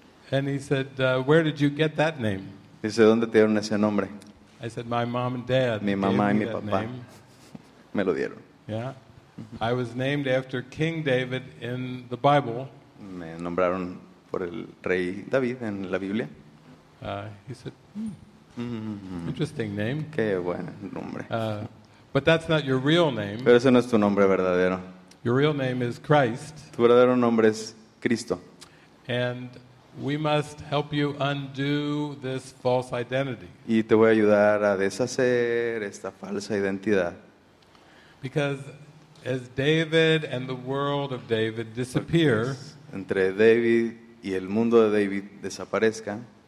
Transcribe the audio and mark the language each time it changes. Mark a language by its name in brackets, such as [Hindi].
[English] And he said, where did you get that name? [Spanish] Dice, ¿dónde te dieron ese nombre? [English] I said, my mom and dad. [Spanish] Mi mamá y mi papá me lo dieron. [English] Yeah. I was named after King David in the Bible. [Spanish] Me nombraron por el rey David en la Biblia. [English] He said, interesting name. [Spanish] Qué buen nombre. [English] But that's not your real name. [Spanish] Pero ese no es tu nombre verdadero. [English] Your real name is Christ. [Spanish] Tu verdadero nombre es Cristo. [English] And we must help you undo this false identity. [Spanish] Y te voy a ayudar a deshacer esta falsa identidad. [English] Because as David and the world of David disappear, [Spanish] entre David y el mundo de David desaparezca,